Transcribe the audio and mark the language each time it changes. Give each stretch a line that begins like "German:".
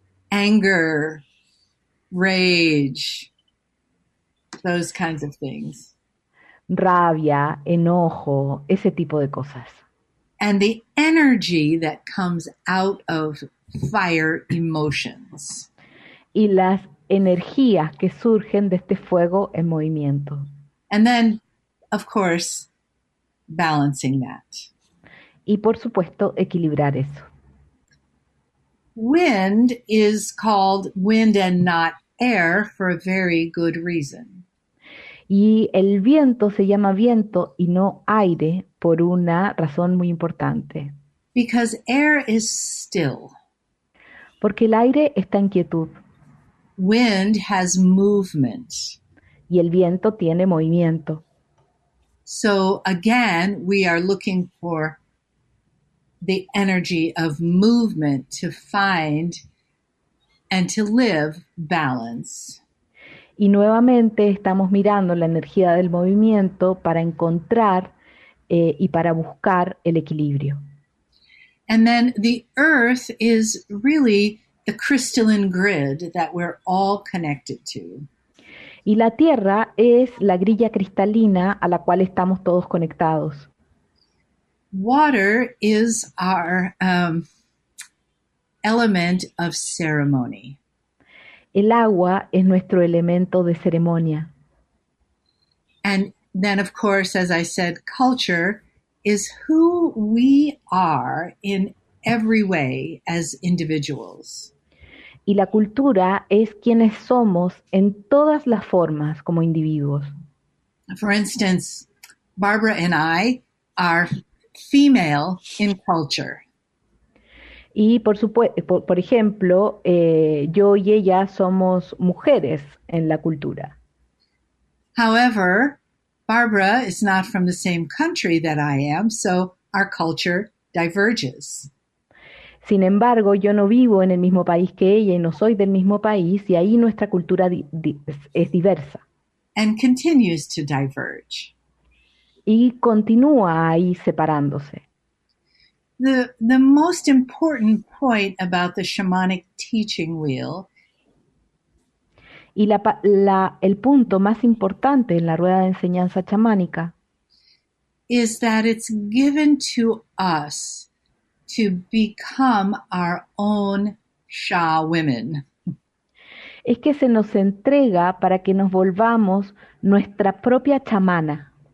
English: Anger, rage, those kinds of things.
Spanish: Rabia, enojo, ese tipo de cosas.
English: And the energy that comes out of fire emotions.
Spanish: Y las energías que surgen de este fuego en movimiento.
English: And then, of course, balancing that.
Spanish: Y por supuesto, equilibrar eso.
English: Wind is called wind and not air for a very good reason.
Spanish: Y el viento se llama viento y no aire por una razón muy importante.
English: Because air is still.
Spanish: Porque el aire está en quietud.
English: Wind has movement.
Spanish: Y el viento tiene movimiento.
English: So again, we are looking for the energy of movement to find and to live balance.
Spanish: Y nuevamente estamos mirando la energía del movimiento para encontrar y para buscar el equilibrio.
English: And then the earth is really the crystalline grid that we're all connected to.
Spanish: Y la tierra es la grilla cristalina a la cual estamos todos conectados.
English: Water is our element of ceremony.
Spanish: El agua es nuestro elemento de ceremonia.
English: And then, of course, as I said, culture is who we are in every way as individuals.
Spanish: Y la cultura es quienes somos en todas las formas como individuos.
English: For instance, Barbara and I are female in culture.
Spanish: Y por ejemplo, yo y ella somos mujeres en la cultura.
English: However, Barbara is not from the same country that I am, so our culture diverges.
Spanish: Sin embargo, yo no vivo en el mismo país que ella y no soy del mismo país, y ahí nuestra cultura es diversa.
English: And continues to diverge.
Spanish: Y continúa ahí separándose.
English: The most important point about the shamanic teaching wheel.
Spanish: Y el punto más importante en la rueda de enseñanza chamánica
English: is that it's given to us to become our own sha women.
Spanish: Es que se nos entrega para que nos volvamos nuestra propia chamana.